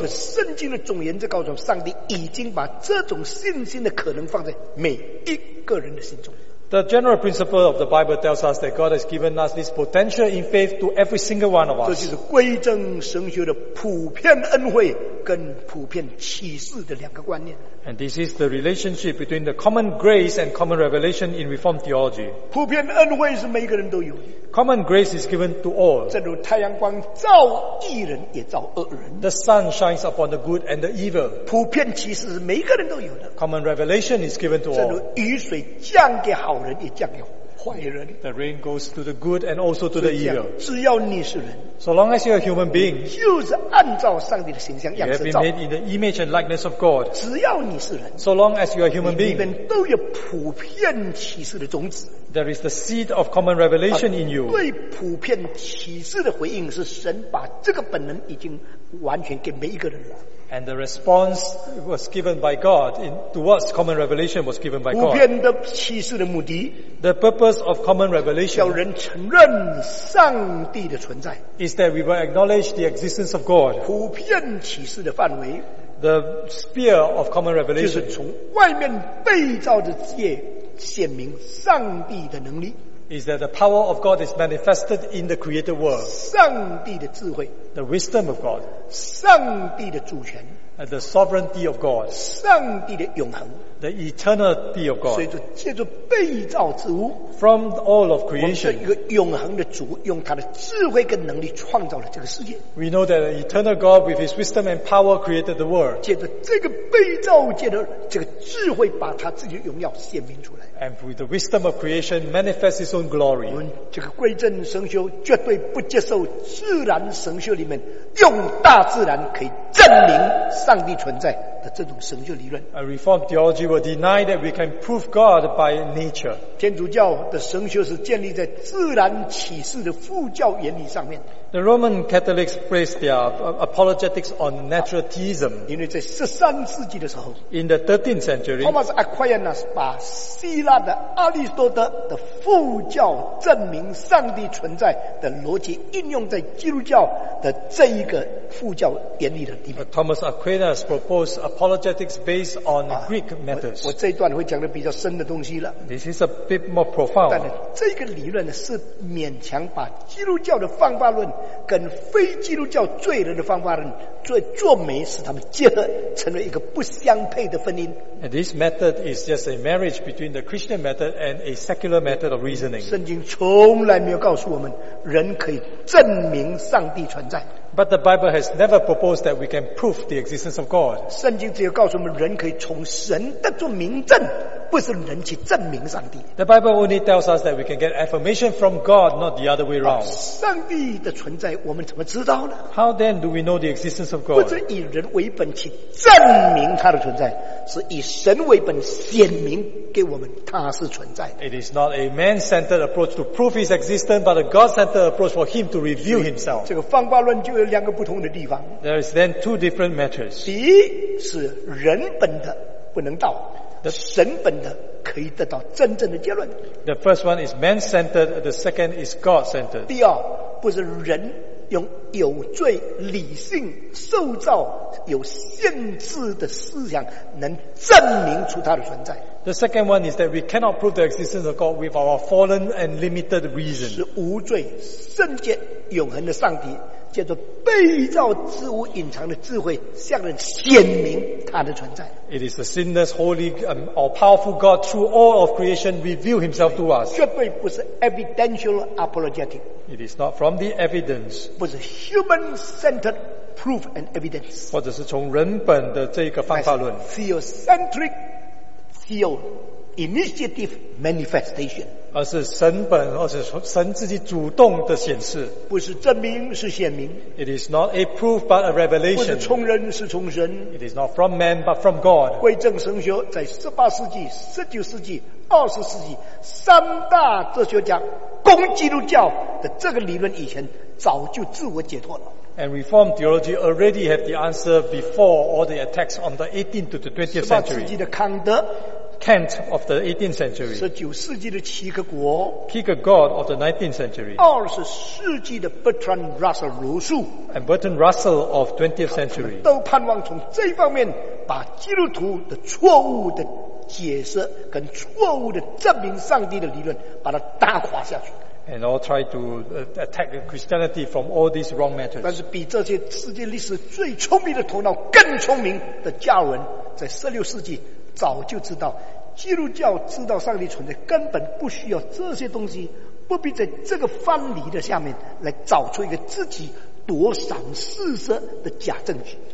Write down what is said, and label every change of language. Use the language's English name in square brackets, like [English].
[Chinese] 其实圣经的总言在告诉上帝已经把这种信心的可能放在每一个人的心中。 [English] The general principle of the Bible tells us that God has given us this potential in faith to every single one of us. [Chinese] 这就是归正神学的普遍恩惠跟普遍启示的两个观念。 [English] And this is the relationship between the common grace and common revelation in Reformed theology. [Chinese] 普遍恩惠是每个人都有的。 [English] Common grace is given to all. [Chinese] 正如太阳光照义人也照恶人。 [English] The sun shines upon the good and the evil. [Chinese] 普遍启示是每个人都有的。 [English] Common revelation is given to all. [Chinese] 正如雨水降给好人也降给坏人。 [English] The rain goes to the good and also to the evil. [Chinese] 只要你是人。 [English] So long as you are a human being, [Chinese] 就是按照上帝的形象样式造。 [English] You have been made in the image and likeness of God. [Chinese] 只要你是人。 [English] So long as you are a human being, [Chinese] 你里面都有普遍启示的种子。 [English] There is the seed of common revelation in you. [Chinese] 对普遍启示的回应是神把这个本能已经完全给每一个人了。 [English] And the response was given by God in, towards common revelation was given by God. [Chinese] 普遍的启示的目的 [English] The purpose of common revelation [Chinese] 叫人承认上帝的存在 [English] is that we will acknowledge the existence of God. [Chinese] 普遍启示的范围 [English] the sphere of common revelation [Chinese] 就是从外面被造的界显明上帝的能力 [English] is that the power of God is manifested in the created world. [Chinese] 上帝的智慧 [English] The wisdom of God. [Chinese] 上帝的主权 [English] The sovereignty of God. [Chinese] 上帝的永恒 [English] The eternity of God. [Chinese] 所以就借助被造之物 [English] From all of creation. [Chinese] 我们是一个永恒的主用他的智慧跟能力创造了这个世界 [English] We know that the eternal God with his wisdom and power created the world. [Chinese] 借助这个被造界的这个智慧把他自己的荣耀显明出来 [English] And with the wisdom of creation, manifests his own glory. [Chinese] 我们这个归正神学绝对不接受自然神学里面用大自然可以证明上帝存在的这种神学理论。 [English] A Reformed theology will deny that we can prove God by nature. [Chinese] 天主教的神学是建立在自然启示的副教原理上面。 [English] The Roman Catholics place their apologetics on natural theism. [Chinese] 因为在十三世纪的时候 [English] ，In the 13th century, [Chinese] Thomas Aquinas 把希腊的阿里士多德的副教证明上帝存在的逻辑应用在基督教的这一个副教原理的地方。 [English] Thomas Aquinas proposed apologetics based on Greek methods. [Chinese] 我这一段会讲的比较深的东西了。 [English] This is a bit more profound. [Chinese] 但这个理论呢，是勉强把基督教的方法论。跟非基督教罪人的方法论做媒使他们结合成为一个不相配的婚姻 [English] and this method is just a marriage between the Christian method and a secular method of reasoning [Chinese] 圣经从来没有告诉我们人可以证明上帝存在 [English] but the Bible has never proposed that we can prove the existence of God [Chinese] 圣经只有告诉我们人可以从神得出明证不是人去证明上帝。 [English] The Bible only tells us that we can get affirmation from God, not the other way around. [Chinese] 上帝的存在，我们怎么知道呢？ [English] How then do we know the existence of God? [Chinese] 不是以人为本去证明他的存在，是以神为本显明给我们他是存在的。 [English] It is not a man-centered approach to prove his existence, but a God-centered approach for him to reveal himself. [Chinese] 这个方法论就有两个不同的地方。 [English] There is then two different matters. [Chinese] 第一是人本的不能到。 The, 神本的可以得到真正的结论。 [English] The first one is man-centered, the second is God-centered. [Chinese] 第二，不是人用有罪、理性、受造、有限制的思想能证明出他的存在。 [English] The second one is that we cannot prove the existence of God with our fallen and limited reason. [Chinese] 是无罪、圣洁、永恒的上帝借着被造之物隐藏的智慧向人显明他的存在。 [English] It is the sinless, holy, or powerful God through all of creation reveal himself to us. [Chinese] 绝对不是 [English] evidential apologetic. It is not from the evidence. [Chinese] 不是 [English] human-centered proof and evidence. [Chinese] 或者是从人本的这个方法论。 [English] Theocentric theo-initiative manifestation. [Chinese] 而是神本，或者神自己主动的显示，不是证明，是显明。 [English] It is not a proof but a revelation. [Chinese] 不是从人，是从神。 [English] It is not from man but from God. [Chinese] 归正神学在十八世纪、十九世纪、二十世纪三大哲学家攻基督教的这个理论以前，早就自我解脱了。 [English] And Reformed theology already have the answer before all the attacks on the 18th to the 20th century. [Chinese] 十八世纪的康德。 [English] Kant of the 18th century. [Chinese] 19世纪的齐克国。 [English] Kierkegaard of the 19th century. [Chinese] 20世纪的 Bertrand Russell 卢素。 [English] And Bertrand Russell of 20th century. [Chinese] 都盼望从这方面把基督徒的错误的解释跟错误的证明上帝的理论把它打垮下去。 [English] And all try to attack Christianity from all these wrong methods. [Chinese] 但是比这些世界历史最聪明的头脑更聪明的加尔文在16世纪早就知道基督教知道上帝存在根本不需要这些东西，不必在这个藩篱的下面来找出一个自己躲闪四射的假证据。